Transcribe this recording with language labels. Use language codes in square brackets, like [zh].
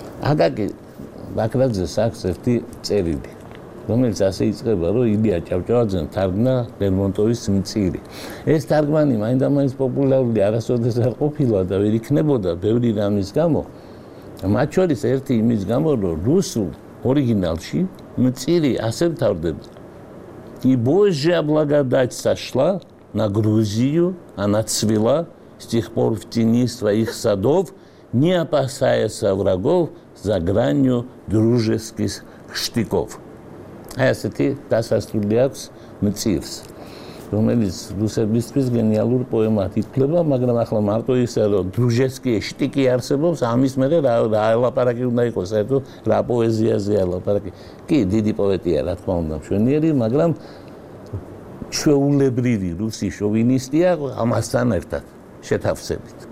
[ka] აკაკი ბაქრაძე სახს ერთი წერილი, რომელიც ასე იწყება, რომ ილია ჭავჭავაძემ თარგმნა ლერმონტოვის „მწირი“. ეს თარგმანი მაინდამაინც პოპულარული არასოდეს არ ყოფილა და ვერ იქნებოდა ბევრი რამის გამო, მათ შორის ერთი იმის გამო, რომ რუსულ ორიგინალში „მწირი“ ასე მთავრდება. [ru] И Божья благодать сошла на Грузию, она цвела с тех пор в тени своих садов, не опасаясь врагов за гранью дружеских штыков. А если ты касаешься мцирс, [ka] რომელიც რუსებისთვის გენიალური პოემა თითქმება, მაგრამ ახლა მარტო ისე, რომ დრუჟესკიე შტიკი არსებობს, ამის მერე რა ელაპარაკი უნდა იყოს, საერთოდ რა პოეზიაზე ელაპარაკი. კი, დიდი პოეტია, რა თქმა უნდა, მშვენიერი, მაგრამ ჩვეულებრივი რუსი შოვინისტია ამასთან ერთად შეთავსებით.